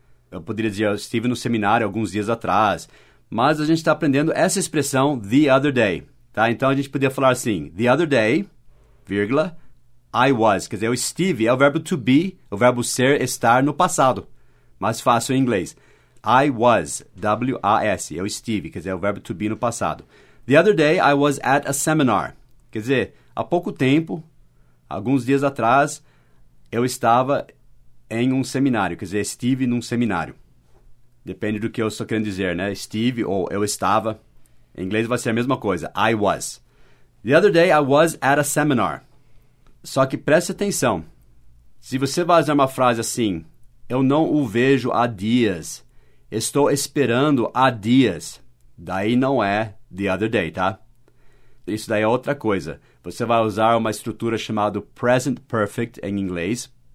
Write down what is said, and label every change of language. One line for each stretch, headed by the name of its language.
Portuguese: Eu poderia dizer, eu estive no seminário alguns dias atrás. Mas a gente está aprendendo essa expressão,
English: the other day.
Portuguese: Tá? Então, a gente podia falar assim,
English: the other day,
Portuguese: vírgula,
English: I was.
Portuguese: Quer dizer, eu estive é o verbo to be, o verbo ser, estar no passado. Mais fácil em inglês.
English: I was,
Portuguese: W-A-S, eu estive, quer dizer, é o verbo to be no passado.
English: The other day, I was at a seminar.
Portuguese: Quer dizer, há pouco tempo, alguns dias atrás, eu estava em um seminário. Quer dizer, estive num seminário. Depende do que eu estou querendo dizer, né? Estive ou eu estava. Em inglês vai ser a mesma coisa.
English: I was. The other day, I was at a seminar.
Portuguese: Só que preste atenção. Se você vai usar uma frase assim, eu não o vejo há dias. Estou esperando há dias. Daí não é
English: the other day,
Portuguese: tá? Isso daí é outra coisa. Você vai usar uma estrutura chamada present perfect em inglês.